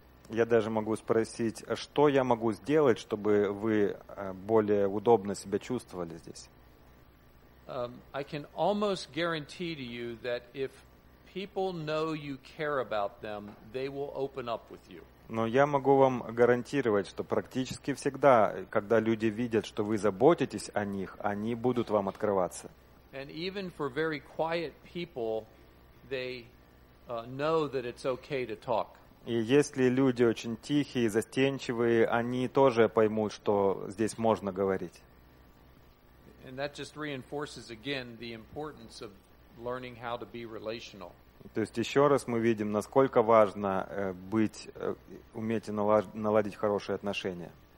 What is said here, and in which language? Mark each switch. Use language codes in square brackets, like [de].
[ru] Я даже могу спросить, что я могу сделать, чтобы вы более удобно себя чувствовали здесь? [en] I can almost guarantee to you that if people know you care about them, they will open up with you. [ru] Но я могу вам гарантировать, что практически всегда, когда люди видят, что вы заботитесь о них, они будут вам открываться. [en] And even for very quiet people, they know that it's okay to talk. [ru] И если люди очень тихие, застенчивые, они тоже поймут, что здесь можно говорить. [en] And that just reinforces again the importance of learning how to be relational. [ru] То есть еще раз мы видим, насколько важно уметь наладить хорошие отношения.